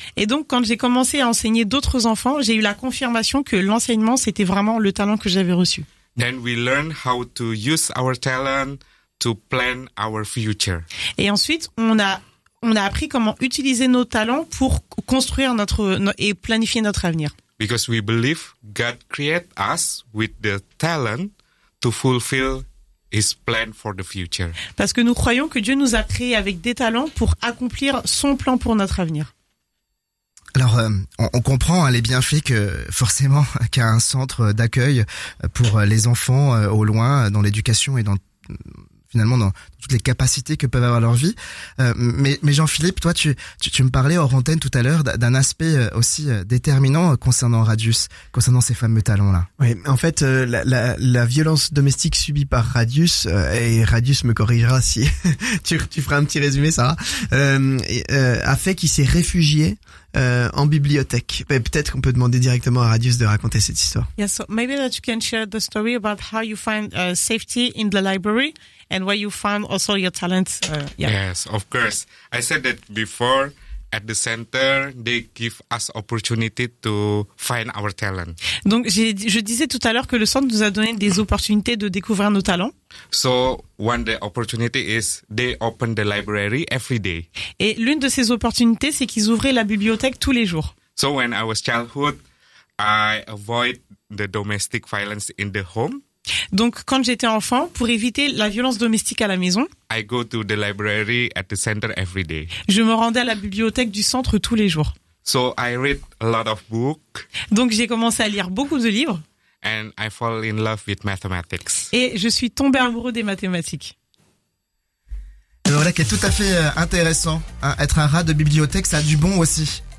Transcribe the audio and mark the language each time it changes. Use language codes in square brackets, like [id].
[fr] Et donc quand j'ai commencé à enseigner d'autres enfants, j'ai eu la confirmation que l'enseignement c'était vraiment le talent que j'avais reçu. [en] Then we learn how to use our talent to plan our future. [fr] Et ensuite, on a appris comment utiliser nos talents pour construire et planifier notre avenir. [en] Because we believe God created us with the talent to fulfill His plan for the future. [fr] Parce que nous croyons que Dieu nous a créés avec des talents pour accomplir son plan pour notre avenir. Alors, on comprend les bienfaits que forcément qu'à un centre d'accueil pour les enfants au loin dans l'éducation et dans toutes les capacités que peuvent avoir leur vie. Mais Jean-Philippe, toi, tu me parlais hors antenne tout à l'heure d'un aspect aussi déterminant concernant Radius, concernant ces fameux talents-là. Oui, en fait, la violence domestique subie par Radius, et Radius me corrigera si tu feras un petit résumé, Sarah, a fait qu'il s'est réfugié en bibliothèque. Mais peut-être qu'on peut demander directement à Radius de raconter cette histoire. [en] Yes, so maybe that you can share the story about how you find safety in the library and where you found also your talents. Yes, of course. I said that before, at the center, they give us opportunity to find our talent. [fr] Donc je disais tout à l'heure que le centre nous a donné des opportunités de découvrir nos talents. [en] So one the opportunity is they open the library every day. [fr] Et l'une de ces opportunités, c'est qu'ils ouvraient la bibliothèque tous les jours. [en] So when I was childhood, I avoid the domestic violence in the home. [fr] Donc quand j'étais enfant, pour éviter la violence domestique à la maison, [en] I go to the library at the center every day. [fr] Je me rendais à la bibliothèque du centre tous les jours. [en] So I read a lot of books. [fr] Donc j'ai commencé à lire beaucoup de livres. [en] And I fall in love with mathematics. [fr] Et je suis tombé amoureux des mathématiques. Et voilà qui est tout à fait intéressant. Hein, être un rat de bibliothèque, ça a du bon aussi.